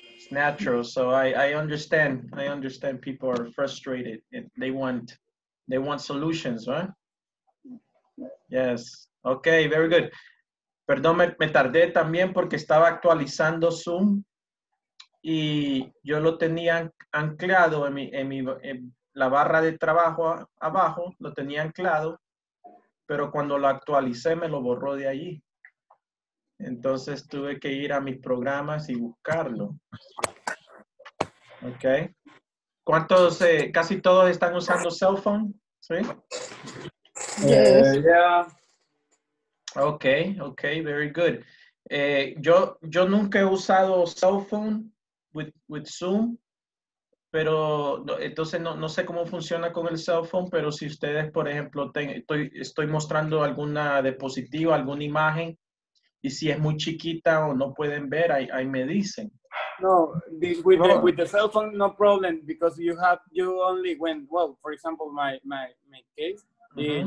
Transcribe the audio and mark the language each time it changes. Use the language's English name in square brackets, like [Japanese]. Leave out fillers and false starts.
[English] Natural, so I understand people are frustrated and they want solutions, right? Yes, okay, very good. [Spanish] Perdón, me tardé también porque estaba actualizando Zoom y yo lo tenía anclado en la barra de trabajo abajo, lo tenía anclado, pero cuando lo actualicé me lo borró de allí. Entonces tuve que ir a mis programas y buscarlo. Okay. ¿Cuántos, casi todos están usando cell phone? Sí. [English] Yes. Yeah. Okay, okay, very good. [Spanish] Yo nunca he usado cell phone [English] with Zoom, [Spanish] pero entonces no sé cómo funciona con el cell phone, pero si ustedes, por ejemplo, estoy mostrando alguna diapositiva, alguna imagen, y si es muy chiquita o no pueden ver, ahí me dicen. [English] No, with the cell phone, no problem, because you only, for example, my case, mm-hmm.